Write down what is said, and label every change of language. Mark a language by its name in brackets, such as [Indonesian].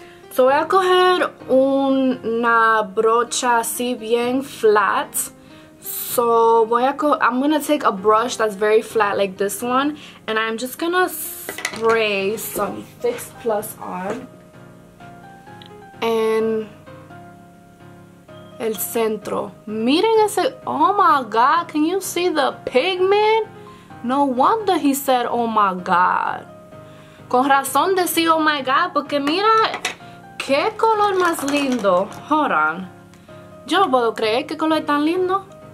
[Spanish] So voy a coger una brocha así bien flat. [English] So I'm gonna take a brush that's very flat like this one, and I'm just gonna spray some Fix Plus on and [Spanish] el centro. Miren ese, [English] oh my god, can you see the pigment? No wonder he said oh my god. [Spanish] Con razón decía oh my god, porque mira. ¿Qué color más lindo? [English] Hold on. [Spanish] Yo no puedo creer que color es tan lindo.